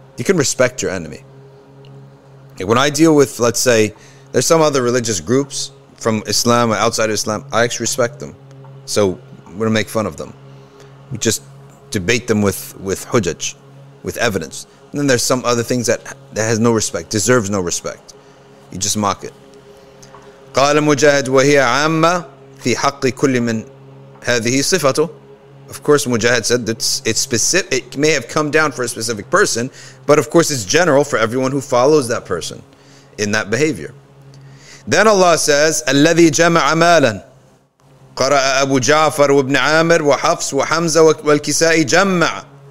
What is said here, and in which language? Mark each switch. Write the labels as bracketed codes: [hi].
[en] You can respect your enemy. Okay. When I deal with, let's say, there's some other religious groups from Islam or outside of Islam, I actually respect them. So we don't make fun of them. We just debate them with hujaj, with evidence. And then there's some other things that has no respect, deserves no respect. You just mock it. [ar] قال مجاهد وهي عامة في حق كل من هذه صفته. [en] Of course, Mujahid said that it's specific. It may have come down for a specific person, but of course it's general for everyone who follows that person in that behavior. Then Allah says, [ar] الَّذِي جَمَعَ مَالًا قَرَأَ أَبُو جَعْفَرُ وَابْنِ عَامِرُ وَحَفْصُ وَحَمْزَةُ وَالْكِسَائِ جَمَّعَ.